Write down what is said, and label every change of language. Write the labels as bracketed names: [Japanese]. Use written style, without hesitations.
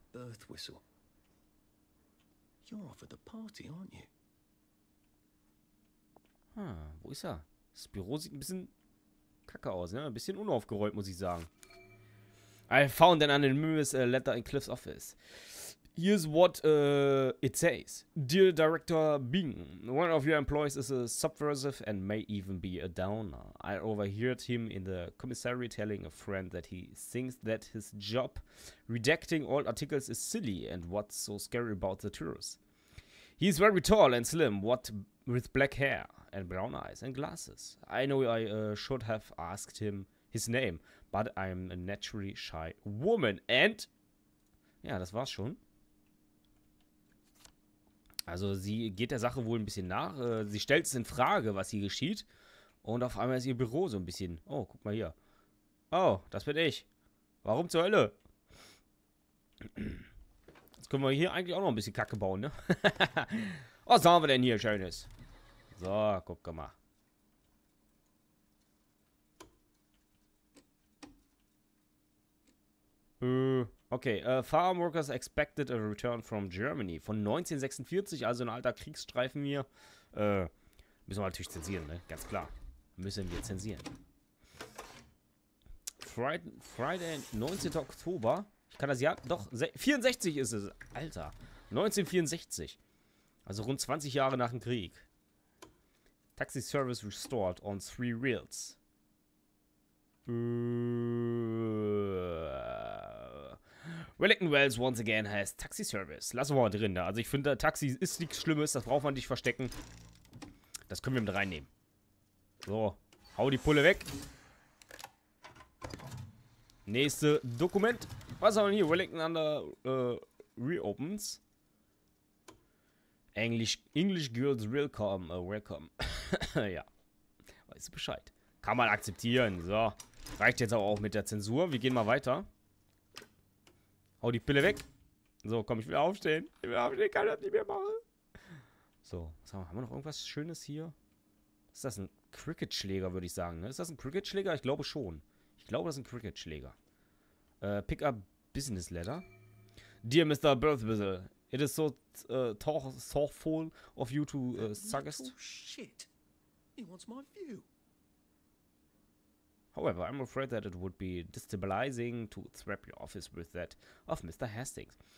[English] You're off at the party, aren't you? [German] Hm, wo ist er? Das Büro sieht ein bisschen... Kacke aus, ne? Ein bisschen unaufgeräumt, muss ich sagen. [English] I found an anonymous letter in Cliff's office. Here's what it says. Dear Director Bing, one of your employees is a subversive and may even be a downer. I overheard him in the commissary telling a friend that he thinks that his job redacting old articles is silly and what's so scary about the tourists. He is very tall and slim, what with black hair and brown eyes and glasses. I know I should have asked him his name, but I'm a naturally shy woman. [German] And, ja, das war's schon. Also, sie geht der Sache wohl ein bisschen nach. Sie stellt es in Frage, was hier geschieht. Und auf einmal ist ihr Büro so ein bisschen... Oh, guck mal hier. Oh, das bin ich. Warum zur Hölle? Jetzt können wir hier eigentlich auch noch ein bisschen Kacke bauen, ne? Was haben wir denn hier Schönes? So, guck mal. [English] Okay, Farm Workers Expected a Return from Germany. [German] Von 1946, also ein alter Kriegsstreifen hier. Müssen wir natürlich zensieren, ne? Ganz klar. Müssen wir zensieren. Friday, 19. Oktober. Ich kann das ja... Doch, 64 ist es. Alter. 1964. Also rund 20 Jahre nach dem Krieg. [English] Taxi Service restored on 3 wheels. Wellington Wells once again has Taxi Service. [German] Lassen wir mal drin da. Also ich finde, Taxi ist nichts Schlimmes. Das braucht man nicht verstecken. Das können wir mit reinnehmen. So, hau die Pulle weg. Nächste Dokument. Was haben wir hier? [English] Wellington under reopens. English girls welcome. Welcome. [German] Ja. Weißt du Bescheid. Kann man akzeptieren. So. Reicht jetzt aber auch mit der Zensur. Wir gehen mal weiter. Hau die Pille weg. So, komm, ich will aufstehen. Ich will aufstehen, kann das nicht mehr machen. So, haben wir noch irgendwas Schönes hier? Ist das ein Cricket-Schläger, würde ich sagen. Ne? Ist das ein Cricket-Schläger? Ich glaube schon. Ich glaube, das ist ein Cricket-Schläger. [English] Pick up business letter. Dear Mr. Birthbizzle, it is so thoughtful of you to suggest. Shit. He wants my view. However, I'm afraid that it would be destabilizing to trap your office with that of Mr. Hastings.